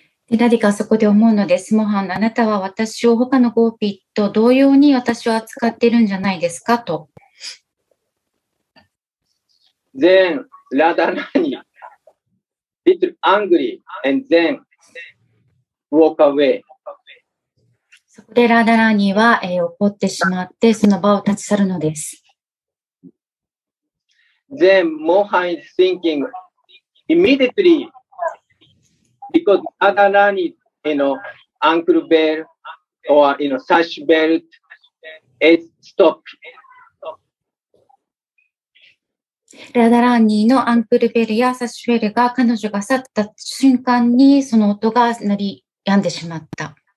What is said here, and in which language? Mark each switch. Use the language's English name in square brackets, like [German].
[Japanese] ラディカはそこで思うのです。モハン、あなたは私を他のゴーピーと同様に私を扱っているんじゃないですかと。 [English] Then, Radharani, little angry, and then walk away. [Japanese] そこでラダラーニは、怒ってしまって、その場を立ち去るのです。 [English] Then, Mohan is thinking, immediately,Because Radharani, you know, ankle belt or, you know, sash belt is stopped. [Japanese] Radharani のアンクルベルやサッシュベルが彼女が去った瞬間にその音が鳴り止んでしまった。